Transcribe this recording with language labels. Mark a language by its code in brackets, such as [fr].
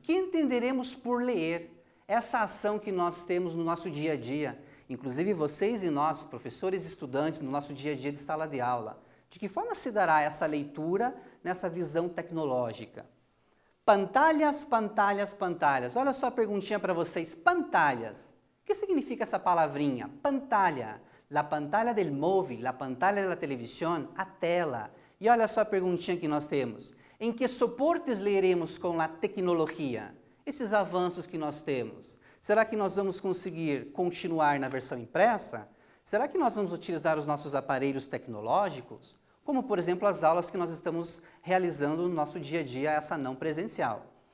[pt] Que entenderemos por ler? Essa ação que nós temos no nosso dia a dia, inclusive vocês e nós, professores e estudantes, no nosso dia a dia de sala de aula. De que forma se dará essa leitura nessa visão tecnológica? Pantalhas, pantalhas, pantalhas. Olha só a perguntinha para vocês. Pantalhas. O que significa essa palavrinha? Pantalha. [es] La pantalla del móvil, la pantalla de la televisión, [pt] a tela. E olha só a perguntinha que nós temos. Em que suportes leremos com a tecnologia? Esses avanços que nós temos. Será que nós vamos conseguir continuar na versão impressa? Será que nós vamos utilizar os nossos aparelhos tecnológicos? Como, por exemplo, as aulas que nós estamos realizando no nosso dia a dia, essa não presencial.